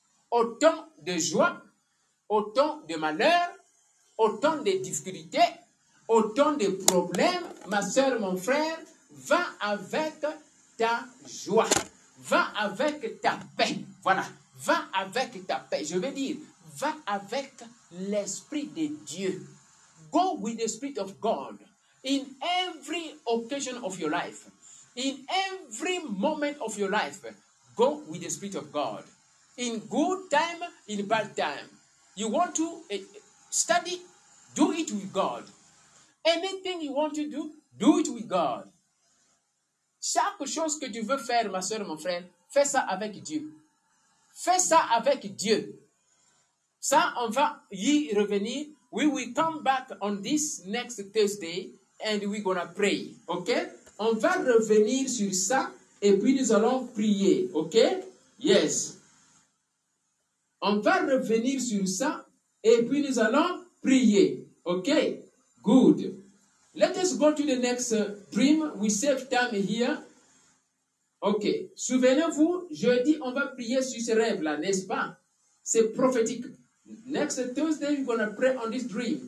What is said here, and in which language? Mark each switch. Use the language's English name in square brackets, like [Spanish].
[French] Autant de joie, autant de malheur, autant de difficultés, autant de problèmes, ma soeur, mon frère, va avec ta joie. Va avec ta paix. Voilà. Va avec ta paix. Je veux dire, va avec l'Esprit de Dieu. [English] Go with the Spirit of God in every occasion of your life. In every moment of your life, go with the Spirit of God. In good time, in bad time. You want to study? Do it with God. Anything you want to do, do it with God. [French] Chaque chose que tu veux faire, ma soeur, mon frère, fais ça avec Dieu. Fais ça avec Dieu. Ça, on va y revenir. [English] We will come back on this next Thursday and we're gonna pray. OK? [French] On va revenir sur ça et puis nous allons prier. OK? [English] Yes. [French] On va revenir sur ça et puis nous allons prier. [English] OK? Good. Let us go to the next dream. We save time here. OK. [French] Souvenez-vous, jeudi, on va prier sur ce rêve-là, n'est-ce pas? C'est prophétique. [English] Next Thursday, we're going to pray on this dream.